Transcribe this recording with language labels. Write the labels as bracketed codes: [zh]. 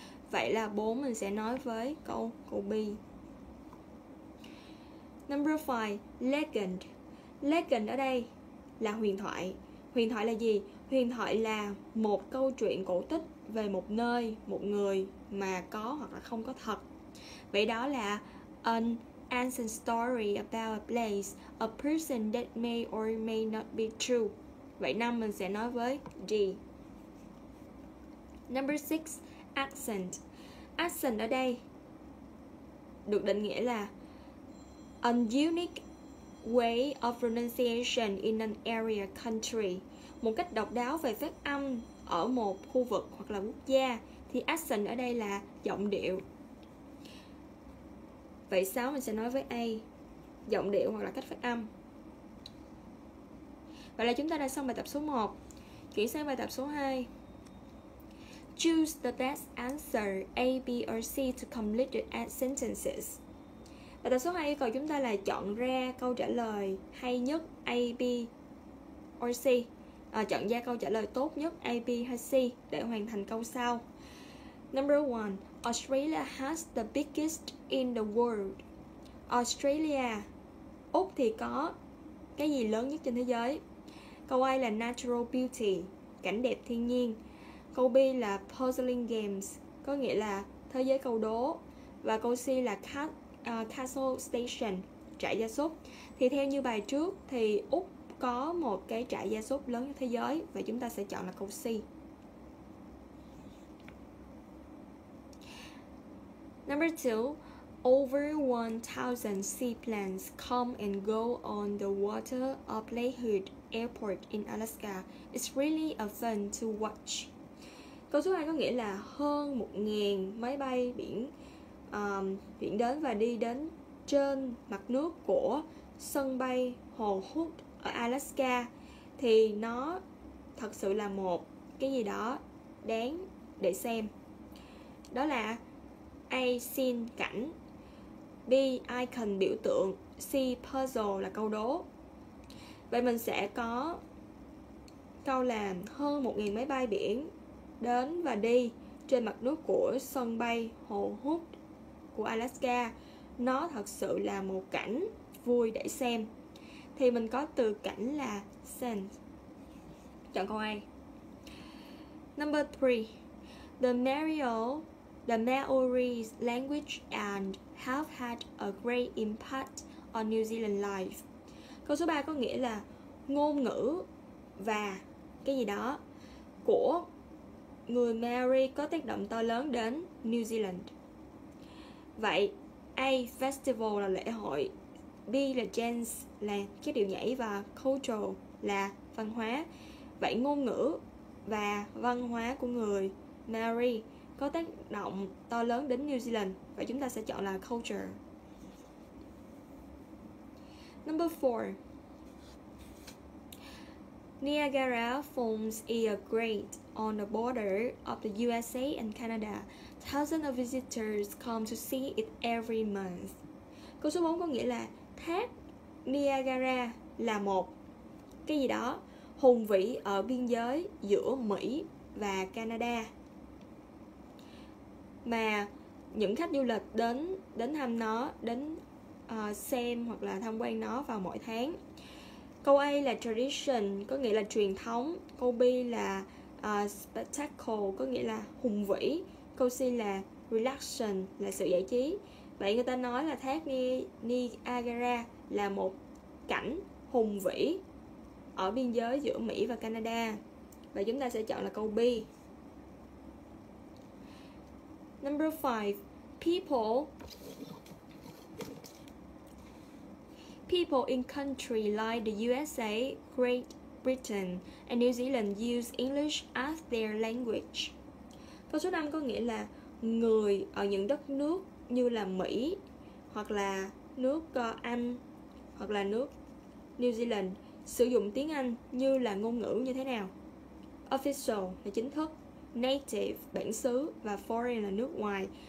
[vi] Vậy là 4 mình sẽ nói với câu B. [en] Number 5, [vi] legend. Legend ở đây là huyền thoại. Huyền thoại là gì? Huyền thoại là một câu chuyện cổ tích về một nơi, một người mà có hoặc là không có thật. Vậy đó là [en] an ancient story about a place, a person that may or may not be true. [vi] Vậy năm mình sẽ nói với D. [en] Number 6, accent. Accent [vi] ở đây được định nghĩa là [en] a unique way of pronunciation in an area, country. [vi] Một cách độc đáo về phát âm ở một khu vực hoặc là quốc gia, thì accent ở đây là giọng điệu. Vậy 6 mình sẽ nói với A, giọng điệu hoặc là cách phát âm. Vậy là chúng ta đã xong bài tập số 1. Chuyển sang bài tập số 2. [en] Choose the best answer A, B or C to complete the sentences. [vi] Bài tập số 2 yêu cầu chúng ta là chọn ra câu trả lời hay nhất A, B or C. Chọn ra câu trả lời tốt nhất A, B hay C để hoàn thành câu sau. [en] Number 1, Australia has the biggest in the world. [vi] Australia, Úc thì có cái gì lớn nhất trên thế giới? Câu A là [en] natural beauty, [vi] cảnh đẹp thiên nhiên. Câu B là [en] puzzling games, [vi] có nghĩa là thế giới câu đố. Và câu C là [en] castle station, [vi] trại gia súc. Thì theo như bài trước thì Úc có một cái trại gia súc lớn nhất thế giới, và chúng ta sẽ chọn là câu C. [en] Number 2, over 1,000 seaplanes come and go on the water of Lakehood Airport in Alaska. It's really a fun to watch. [vi] Câu số 2 có nghĩa là hơn 1,000 máy bay biển chuyển đến và đi đến trên mặt nước của sân bay Hồ Hood ở Alaska, thì nó thật sự là một cái gì đó đáng để xem. Đó là A, scene, cảnh. B, icon, biểu tượng. C, puzzle, là câu đố. Vậy mình sẽ có câu là hơn 1,000 máy bay biển đến và đi trên mặt nước của sân bay Hồ Hood của Alaska. Nó thật sự là một cảnh vui để xem. Thì mình có từ cảnh là sense. Chọn câu A. [en] Number 3, The Maori language and have had a great impact on New Zealand life. [vi] Câu số 3 có nghĩa là ngôn ngữ và cái gì đó của người Maori có tác động to lớn đến New Zealand. Vậy A, festival là lễ hội. B là dance là cái điệu nhảy, và cultural là văn hóa. Vậy ngôn ngữ và văn hóa của người Maori có có tác động to lớn đến New Zealand. Và chúng ta sẽ chọn là culture. [en] Number 4. Niagara Falls is a great on the border of the USA and Canada. Thousands of visitors come to see it every month. [vi] Câu số 4 có nghĩa là thác Niagara là một cái gì đó hùng vĩ ở biên giới giữa Mỹ và Canada, mà những khách du lịch đến thăm nó, đến xem hoặc là tham quan nó vào mỗi tháng. Câu A là tradition, có nghĩa là truyền thống. Câu B là spectacle, có nghĩa là hùng vĩ. Câu C là relaxation, là sự giải trí. Vậy người ta nói là thác Niagara là một cảnh hùng vĩ ở biên giới giữa Mỹ và Canada. Và chúng ta sẽ chọn là câu B. [en] Number 5. People in country like the USA, Great Britain and New Zealand use English as their language. [vi] Câu số 5 có nghĩa là người ở những đất nước như là Mỹ hoặc là nước Anh hoặc là nước New Zealand sử dụng tiếng Anh như là ngôn ngữ như thế nào? Official là chính thức, native bản xứ và foreign là nước ngoài.